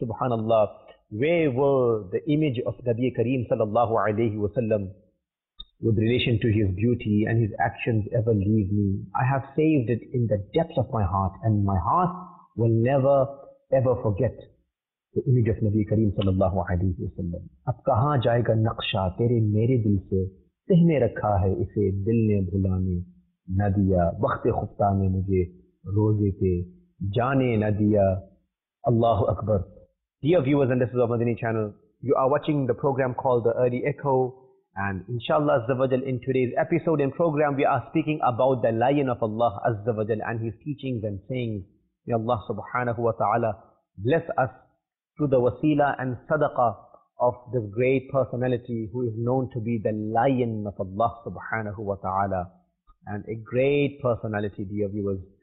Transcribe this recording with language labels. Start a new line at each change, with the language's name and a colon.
English: Subhanallah, where were the image of Nabi Kareem sallallahu alayhi wasallam with relation to his beauty and his actions ever leave me? I have saved it in the depths of my heart, and my heart will never ever forget the image of Nabi Kareem sallallahu alayhi wa sallam.
Urdu: اب کہاں جائے گا نقشہ تیرے میرے دل سے, تہ نے رکھا ہے اسے دل نے بھلانے نہ دیا, بخت خفتہ نے مجھے روزے پہ جانے نہ دیا.
Arabic: اللہ اکبر.
English: Dear viewers and listeners of Madini channel, you are watching the program called The Early Echo, and inshallah azza wa jal, in today's episode and program we are speaking about the lion of Allah azza wa jal and his teachings and sayings. May Allah subhanahu wa ta'ala bless us through the wasila and sadaqah of this great personality who is known to be the lion of Allah subhanahu wa ta'ala, and a great personality, dear viewers.